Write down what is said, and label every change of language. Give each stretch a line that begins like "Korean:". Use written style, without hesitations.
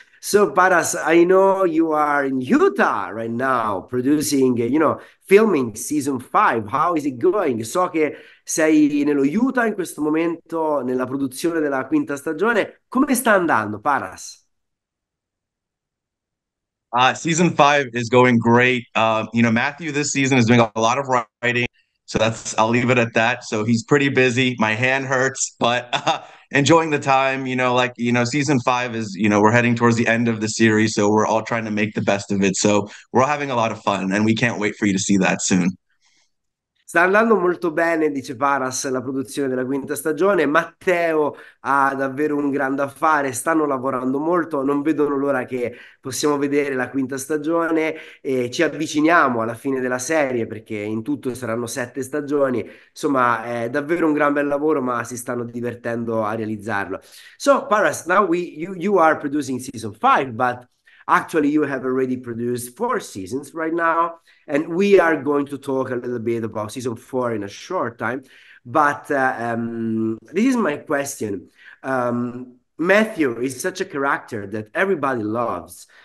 English: So Paras, I know you are in Utah right now producing, you know, filming season 5. How is it going?
Italian: So che sei nello Utah in questo momento nella produzione della 5ª stagione. Come sta andando, Paras?
English: Season 5 is going great. You know, Matthew this season is doing a lot of writing. So I'll leave it at that. So he's pretty busy. My hand hurts, but enjoying the time, you know, like, you know, season 5 is, you know, we're heading towards the end of the series. So we're all trying to make the best of it. So we're all having a lot of fun and we can't wait for you to see that soon.
Italian: Sta andando molto bene, dice Paras, la produzione della quinta stagione. Matteo ha davvero un grande affare, stanno lavorando molto, non vedono l'ora che possiamo vedere la quinta stagione e ci avviciniamo alla fine della serie perché in tutto saranno 7 stagioni. Insomma, è davvero un gran bel lavoro, ma si stanno divertendo a realizzarlo.
English: So, Paras, now you are producing season 5, but actually, you have already produced 4 seasons right now, and we are going to talk a little bit about season 4 in a short time. But this is my question. Matthew is such a character that everybody loves.